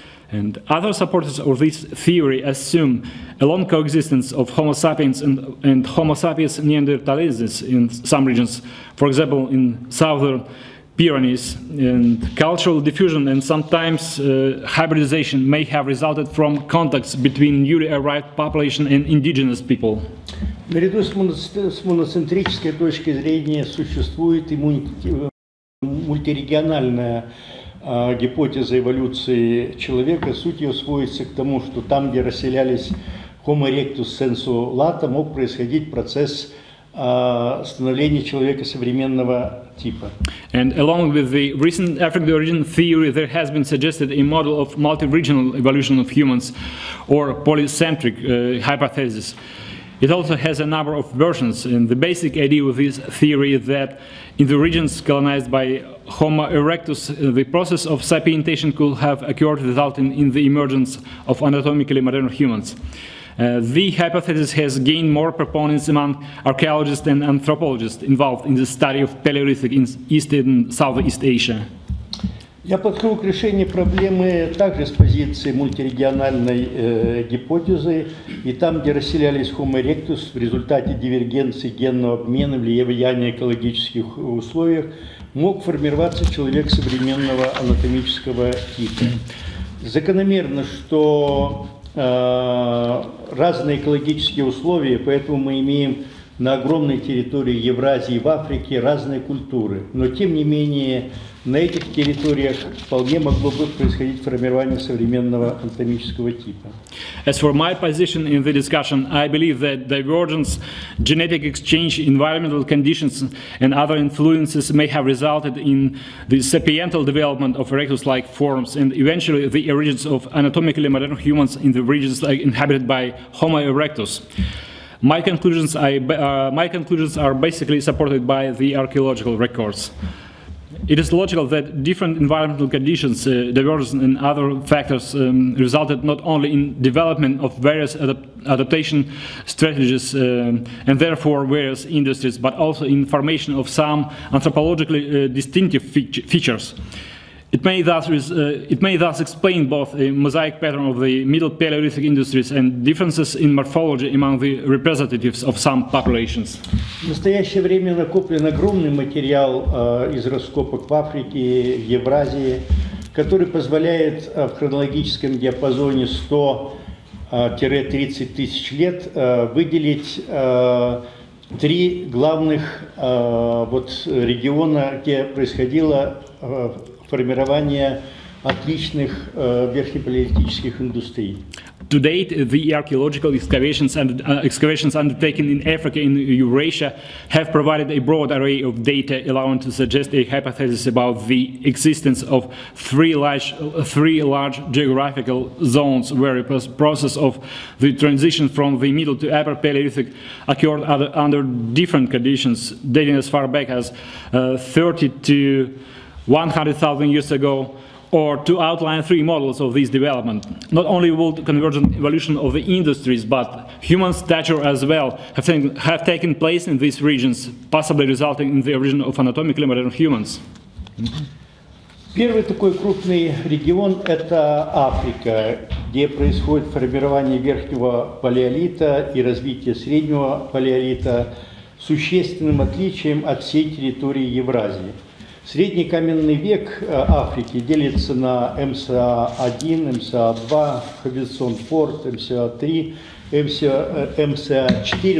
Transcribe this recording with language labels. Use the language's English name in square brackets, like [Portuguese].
[English] And other supporters of this theory assume a long coexistence of Homo sapiens and Homo sapiens Neanderthalensis in some regions, for example, in southern Pyrenees, and cultural diffusion and sometimes hybridization may have resulted from contacts between newly arrived population and indigenous people. [Russian] Наряду с моноцентрической точкой зрения существует и мультирегиональная гипотеза эволюции человека. Суть ее сводится к тому, что там, где расселялись Homo erectus sensu lato, мог происходить процесс становления человека современного типа. [English] And along with the recent African origin theory, there has been suggested a model of multi-regional evolution of humans, or polycentric hypothesis. It also has a number of versions, and the basic idea of this theory is that in the regions colonized by Homo erectus, the process of sapientation could have occurred, resulting in the emergence of anatomically modern humans. The hypothesis has gained more proponents among archaeologists and anthropologists involved in the study of Palaeolithic in East and Southeast Asia. [Russian] Я подхожу к решению проблемы также с позиции мультирегиональной гипотезы, и там, где расселялись Homo erectus в результате дивергенции генного обмена влияния экологических условий, мог формироваться человек современного анатомического типа. Закономерно, что разные экологические условия, поэтому мы имеем на огромной территории Евразии и в Африке разные культуры, но тем не менее на этих территориях вполне могло бы происходить формирование современного анатомического типа. [English] As for my position in the discussion, I believe that divergence, genetic exchange, environmental conditions and other influences may have resulted in the sapiental development of erectus-like forms and eventually the emergence of anatomically modern humans in the regions inhabited by Homo erectus. My conclusions are basically supported by the archaeological records. It is logical that different environmental conditions, divergence and other factors resulted not only in development of various adaptation strategies and therefore various industries, but also in formation of some anthropologically distinctive features. It may thus explain both a mosaic pattern of the Middle Paleolithic industries and differences in morphology among the representatives of some populations. [Russian] В настоящее время накоплен огромный материал из раскопок в Африке, в Евразии, который позволяет в хронологическом диапазоне 100-30 тысяч лет выделить три главных региона, где происходило формирование отличных верхнепалеолитических индустрий. [English] To date, the archaeological excavations undertaken in Africa and Eurasia have provided a broad array of data allowing to suggest a hypothesis about the existence of three large geographical zones where a process of the transition from the Middle to Upper Paleolithic occurred under different conditions, dating as far back as 30 to 100,000 years ago, or to outline three models of this development. Not only will the convergent evolution of the industries, but human stature as well have taken place in these regions, possibly resulting in the origin of anatomically modern humans. [Russian] Первый такой крупный регион – это Африка, где происходит формирование верхнего палеолита и развитие среднего палеолита, существенным отличием от всей территории Евразии. Средний каменный век Африки делится на МСА-1, МСА-2, Хобисон-Форд, МСА-3, МСА-4.